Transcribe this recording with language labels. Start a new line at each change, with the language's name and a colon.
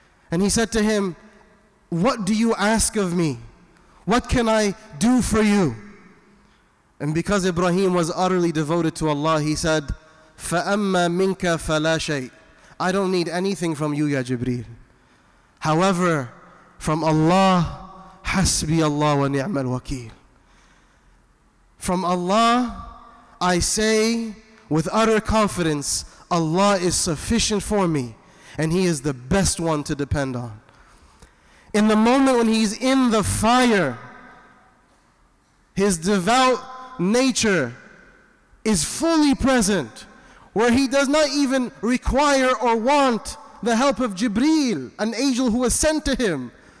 English: And he said to him, what do you ask of me? What can I do for you? And because Ibrahim was utterly devoted to Allah, he said,
Arabic: فَأَمَّا مِنْكَ فَلَا شَيْءٍ.
English: I don't need anything from you, Ya Jibreel. However, from Allah,
Arabic: حَسْبِي اللَّهُ وَنِعْمَ الْوَكِيلُ.
English: From Allah, I say with utter confidence, Allah is sufficient for me, and He is the best one to depend on. In the moment when he's in the fire, his devout nature is fully present, where he does not even require or want the help of Jibreel, an angel who was sent to him.